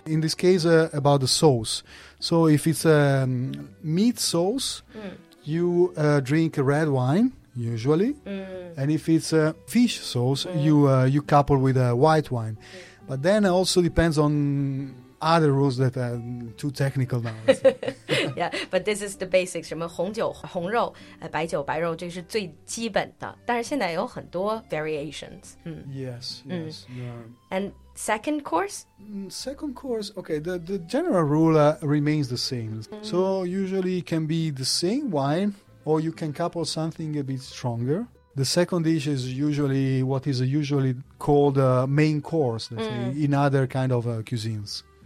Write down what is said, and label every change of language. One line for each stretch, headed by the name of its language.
English: In this case, about the sauce. So if it's a meat sauce, you drink red wine, usually. And if it's a fish sauce, you couple with a white wine. But then it also depends on other rules that are too technical now. Yeah, but this is the basics.
Chinese: 什么红酒、红肉、白酒、白肉，这是最基本的。但是现在有很多 variations.
English: Yes, yes. And... Second course? Second course, okay, the general rule remains the same. So usually it can be the same wine, or you can couple something a bit stronger. The second dish is usually what is usually called a main course in other kind of cuisines.